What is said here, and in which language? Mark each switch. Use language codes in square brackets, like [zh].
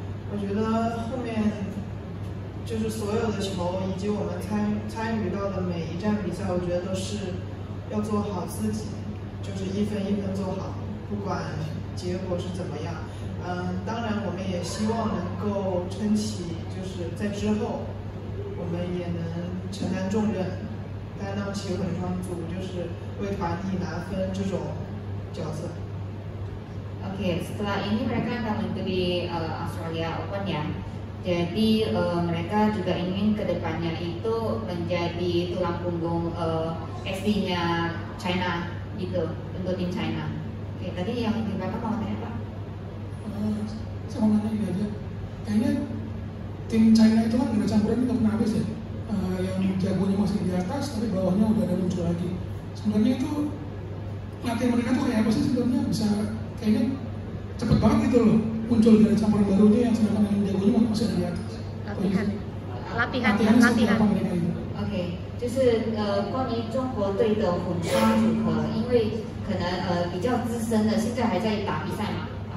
[zh] 我觉得后面就是所有的球以及我们参与到的每一站比赛，我觉得都是要做好自己，就是一分一分做好，不管结果是怎么样。当然我们也希望能够撑起，就是在之后我们也能承担重任，担当起混双组就是为团体拿分这种角色。 [id] Okay, setelah ini mereka akan mengikuti Australia Open ya. Jadi mereka juga ingin kedepannya itu menjadi tulang punggung SD-nya China gitu untuk tim China. Okay, tadi yang berapa mau tanya? Sama mana juga aja. Kayaknya tim China itu kan gak campuran itu pernah habis ya. Yang jagonya masih di atas tapi bawahnya udah ada muncul lagi. Sebenarnya itu latihan mereka tuh kayak apa sih sebenarnya bisa kayaknya cepet banget gitu loh muncul dari campuran barunya yang sedangkan yang jagonya masih di atas. Latihan. [zh] Oke, 就是关于中国队的混双组合，因为可能比较资深的，现在还在打比赛嘛。